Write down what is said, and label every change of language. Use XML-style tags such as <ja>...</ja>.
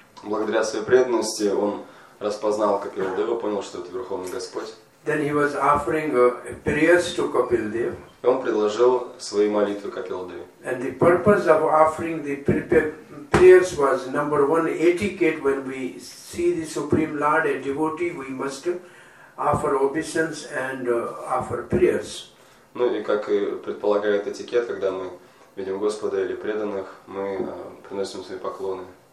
<ru>Благодаря своей преданности он распознал Капиладева, понял, что это верховный господь.</ru> <en>Then he was offering prayers to Kapildev.</en> <ru>Он предложил свои молитвы Капиладеве.</ru> <en>And the purpose of offering the prayers was number one etiquette. When we see the supreme lord, a devotee, we must offer obeisance and offer prayers.</en> <ru>Ну и как и предполагает этикет, когда мы видим Господа или преданных, мы приносим свои поклоны.</ru>